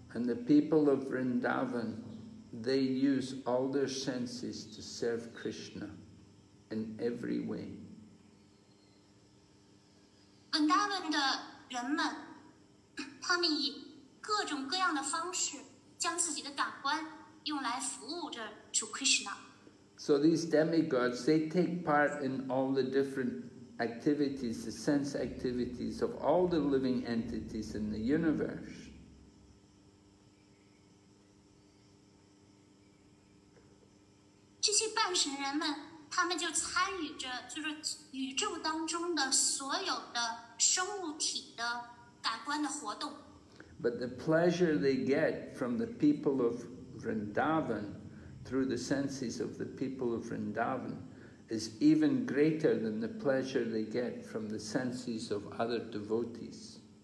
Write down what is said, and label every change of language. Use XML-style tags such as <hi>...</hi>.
<en>And the people of Vrindavan, they use all their senses to serve Krishna in every way.</en> <zh>本达文的人们，他们以 各种各样的方式将自己的感官用来服务着主Krishna。</zh> <en>So these demigods, they take part in all the different activities, the sense activities of all the living entities in the universe.</en> <zh>这些半神人们，他们就参与着就是宇宙当中的所有的生物体的感官的活动。</zh> <en>But the pleasure they get from the people of Vrindavan, through the senses of the people of Vrindavan, is even greater than the pleasure they get from the senses of other devotees.</en>